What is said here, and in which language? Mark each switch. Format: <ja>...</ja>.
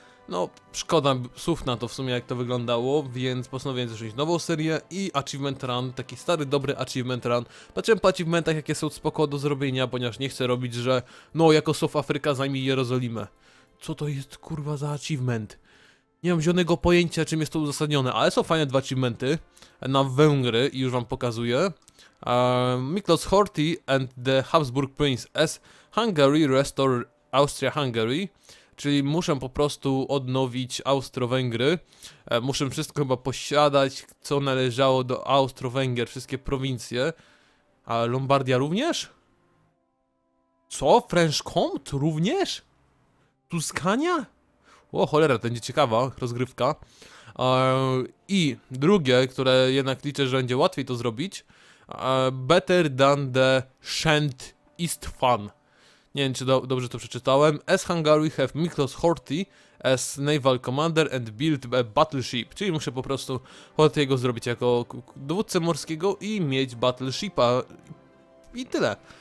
<pl>No, szkoda słów na to w sumie, jak to wyglądało, więc postanowiłem zacząć nową serię i Achievement Run, taki stary, dobry Achievement Run. Patrzyłem po achievementach, jakie są spoko do zrobienia, ponieważ nie chcę robić, że no, jako South Africa zajmij Jerozolimę. Co to jest, kurwa, za achievement? Nie mam zielonego pojęcia, czym jest to uzasadnione, ale są fajne dwa achievementy na Węgry i już wam pokazuję.</pl> <en>Miklos Horthy and the Habsburg Prince as Hungary restore Austria-Hungary.</en> <pl>Czyli muszę po prostu odnowić Austro-Węgry. Muszę wszystko chyba posiadać, co należało do Austro-Węgier, wszystkie prowincje. A Lombardia również? Co? French Comte również? Tuskania? O cholera, to będzie ciekawa rozgrywka. I drugie, które jednak liczę, że będzie łatwiej to zrobić.</pl> <en>Better than the Shant East Fun.</en> <pl>Nie wiem, czy dobrze to przeczytałem.</pl> <en>As Hungary have Miklos Horthy as naval commander and build a battleship.</en> <pl>Czyli muszę po prostu Horthy'ego zrobić jako dowódcę morskiego i mieć battleshipa. I tyle.</pl>